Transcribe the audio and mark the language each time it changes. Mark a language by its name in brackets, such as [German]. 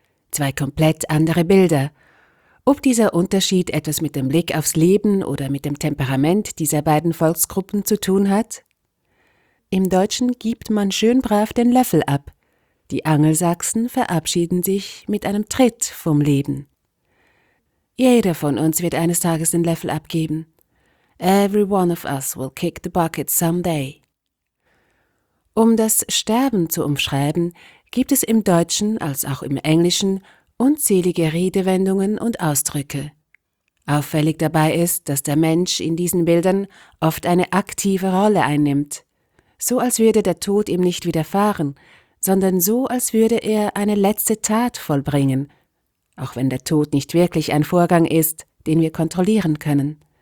[German] Zwei komplett andere Bilder. Ob dieser Unterschied etwas mit dem Blick aufs Leben oder mit dem Temperament dieser beiden Volksgruppen zu tun hat? Im Deutschen gibt man schön brav den Löffel ab. Die Angelsachsen verabschieden sich mit einem Tritt vom Leben. Jeder von uns wird eines Tages den Löffel abgeben. [English] Every one of us will kick the bucket someday. [German] Um das Sterben zu umschreiben, gibt es im Deutschen als auch im Englischen unzählige Redewendungen und Ausdrücke. Auffällig dabei ist, dass der Mensch in diesen Bildern oft eine aktive Rolle einnimmt. So als würde der Tod ihm nicht widerfahren, sondern so als würde er eine letzte Tat vollbringen, auch wenn der Tod nicht wirklich ein Vorgang ist, den wir kontrollieren können.